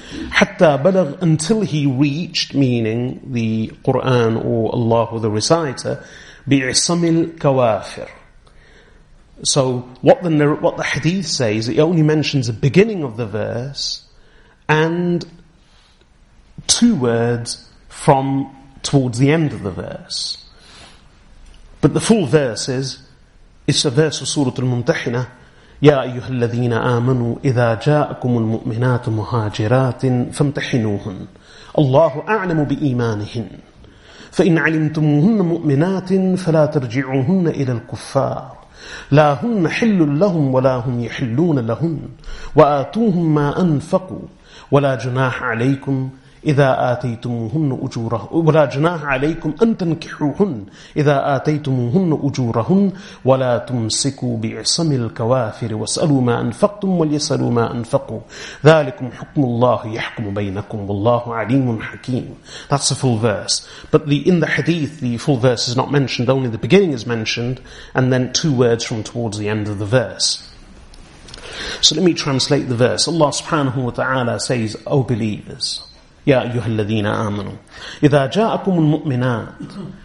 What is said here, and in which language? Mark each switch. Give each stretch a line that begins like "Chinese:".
Arabic: حَتَّى بَلَغْ.
English: Until he reached, meaning the Quran or Allah the reciter,
Arabic: بِعِصَمِ الْكَوَافِرِ.
English: So what the hadith says, it only mentions the beginning of the verse and two words from towards the end of the verse. But the full verse is, it's a verse of Surah Al-Mumtahina,
Arabic: يَا أَيُّهَا الَّذِينَ آمَنُوا إِذَا جَاءَكُمُ الْمُؤْمِنَاتُ مُهَاجِرَاتٍ فَامْتَحِنُوهُنْ اللَّهُ أَعْلَمُ بِإِيمَانِهِنْ فَإِنْ عَلِمْتُمُوهُنَّ مُؤْمِنَاتٍ فَلَا تَرْجِعُوهُنَّ إِلَى الْكُفَّارِ لا هن حل لهم ولا هم يحلون لهن وآتوهم ما أنفقوا ولا جناح عليكم إذا آتيتمهن أجوره ولا جناح عليكم أن تنكحوهن إذا آتيتمهن أجورهن ولا تمسكوا بعصم الكوافر واسألوا ما أنفقتم وليسألوا ما أنفقوا ذلكم حكم الله يحكم بينكم والله عليم حكيم.
English: That's a full verse. But in the hadith, the full verse is not mentioned, only the beginning is mentioned, and then two words from towards the end of the verse. So let me translate the verse. Allah subhanahu wa ta'ala says, O believers,
Arabic: يَا أَيُّهَا الَّذِينَ آمَنُوا إِذَا جَاءَكُمُ الْمُؤْمِنَاتِ.